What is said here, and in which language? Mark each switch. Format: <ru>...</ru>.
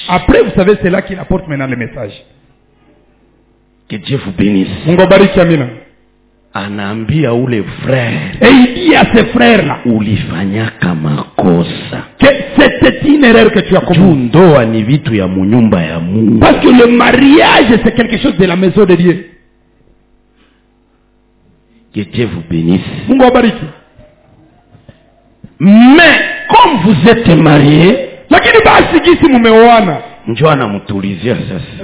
<fr>Après vous savez c'est là qu'il apporte maintenant le message. Que Dieu vous bénisse.</fr> <sw>Mungu bariki amina. Anaambia ule frère.</sw> <fr>Aidia ce frère là.</fr> <sw>Ulifanyaka makosa.</sw> <fr>Que c'était une erreur que tu as commis.</fr> <sw>Ndoa ni vitu ya munyumba ya Mungu.</sw> <fr>Parce que le mariage c'est quelque chose de la maison de Dieu. Que Dieu vous bénisse.</fr> <sw>Mungu bariki.</sw> <fr>Mais comme vous êtes marié,</fr> <sw>lakini basi jinsi mumeoana, njoo anamtulizia sasa.</sw>